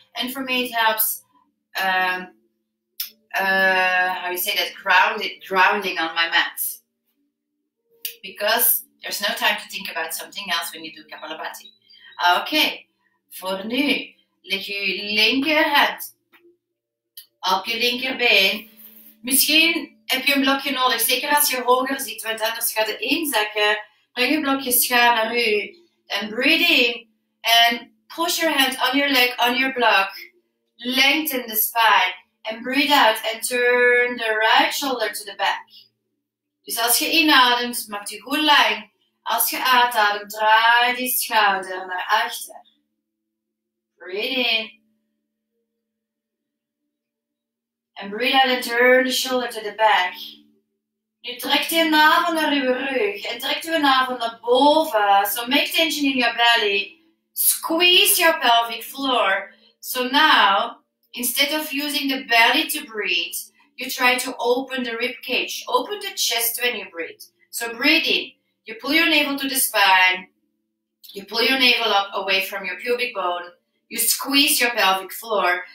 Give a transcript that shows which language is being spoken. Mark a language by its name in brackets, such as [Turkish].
[English] And for me it helps, how you say that, grounding on my mat. Because there's no time to think about something else when you do Kapalabhati. [Dutch] Okay, voor nu, leg je linkerhand op je linkerbeen. Misschien heb je een blokje nodig, zeker als je hoger zit, want anders gaat het inzakken. Breng je blokje schuin naar u. [English] En breathe in. En push your hand on your leg, on your block. Lengthen the spine. En breathe out. En turn the right shoulder to the back. [Dutch] Dus als je inademt, maak die goede lijn. Als je uitademt, draai die schouder naar achter. [English] Breathe in. En breathe out and turn the shoulder to the back. [Dutch] Nu trekt je navel naar je rug en trekt je navel naar boven. [English] So make tension in your belly. Squeeze your pelvic floor. So now, instead of using the belly to breathe, you try to open the rib cage. Open the chest when you breathe. So breathe in. You pull your navel to the spine. You pull your navel up away from your pubic bone. You squeeze your pelvic floor.